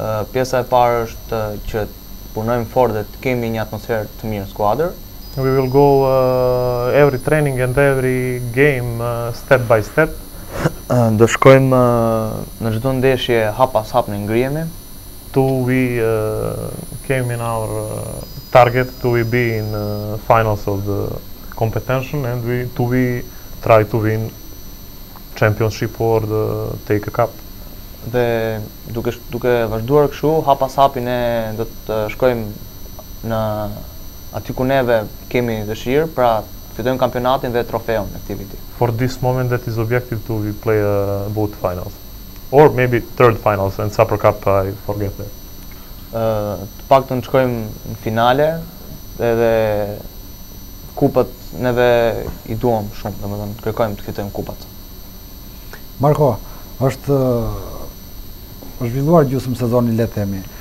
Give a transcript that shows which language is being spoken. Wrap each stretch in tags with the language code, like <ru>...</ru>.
<sq>Pjesa e parë është që punojmë fort dhe të kemi një atmosferë të mirë skuadër.</sq> <en>We will go every training and every game step by step.</en> <sq>Do shkojmë në çdo ndeshje hap pas hap në ngrihemi.</sq> <en>To we came in our target to we be in finals of the competition and we try to win championship or the take a cup.</en> <sq>Dhe duke vazhduar kështu hap pas hapi ne do të shkojmë në aty ku neve kemi dëshirë, pra fitojmë kampionatin dhe trofeun në këtë vit.</sq> <en>For this moment, that is objective to we play both finals, or maybe third finals and Super Cup. I forget that.</en> <sq>Të paktën shkojmë në finale, edhe kupat neve I duam shumë, domethënë kërkojmë të fitojmë kupat. Marko, është zhvilluar gjysmë sezoni, le të themi.</sq>